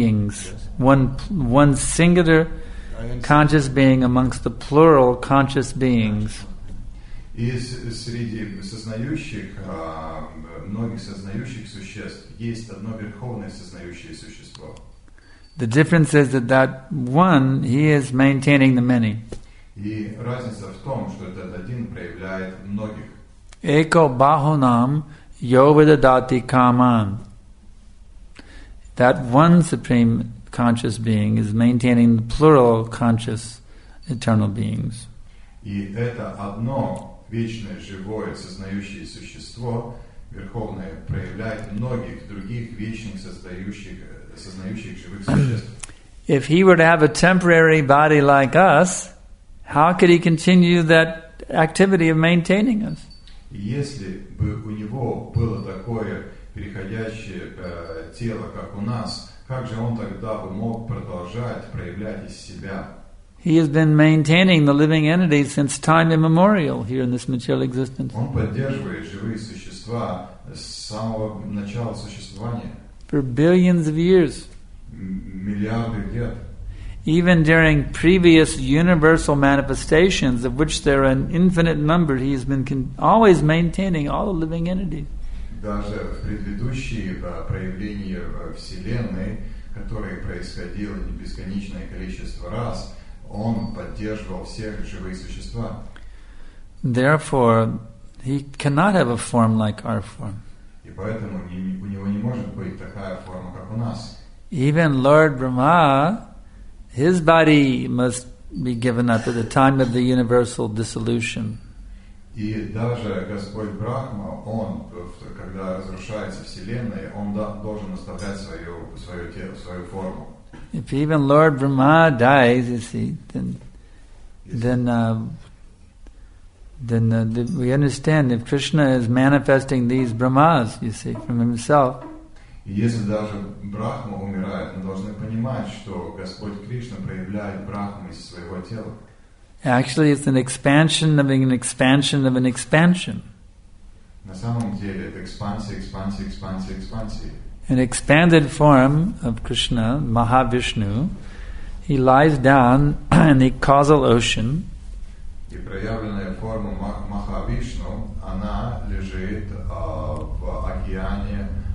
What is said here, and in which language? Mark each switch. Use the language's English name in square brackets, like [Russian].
[English] One singular conscious being amongst the plural conscious beings. [Russian] Из среди сознающих, многих сознающих существ, есть одно верховное сознающее существо. [English] The difference is that that one, he is maintaining the many. [Russian] И разница в том, что этот один проявляет многих. [Sanskrit] Эко бахунам йо видадати каман. [English] That one supreme conscious being is maintaining the plural conscious eternal beings. [Russian] И это одно вечное живое сознающее существо верховное проявляет многих других вечных сознающих живых существ. [English] If he were to have a temporary body like us, how could he continue that activity of maintaining us? [Russian] Если бы у него было такое переходящее тело, как у нас, как же он тогда бы мог продолжать проявлять из себя? [English] He has been maintaining the living entity since time immemorial here in this material existence. [Russian] Он поддерживает живые существа с самого начала существования. [English] For billions of years. [Russian] Миллиарды лет. [English] Even during previous universal manifestations, of which there are an infinite number, he has been always maintaining all the living entities. [Russian] Даже в предыдущие проявления Вселенной, которые происходили бесконечное количество раз, он поддерживал всех живых существ. [English] Therefore, he cannot have a form like our form. [Russian] И поэтому у него не может быть такая форма, как у нас. [English] Even Lord Brahma, his body must be given up at the time of the universal dissolution. [Russian] И даже Господь Брахма, он, когда разрушается Вселенная, он должен оставлять свое тело, свою форму. [English] If even Lord Brahma dies, you see, then we understand if Krishna is manifesting these Brahmas, you see, from himself. [Russian] Если даже Брахма умирает, мы должны понимать, что Господь Кришна проявляет Брахму из своего тела. [English] Actually, it's an expansion of an expansion of an expansion. [Russian] На самом деле, это экспансия, экспансия, экспансия, экспансия. [English] An expanded form of Krishna, Mahavishnu, he lies down in the causal ocean. [Russian] И проявленная форма Махавишну, она лежит в океане.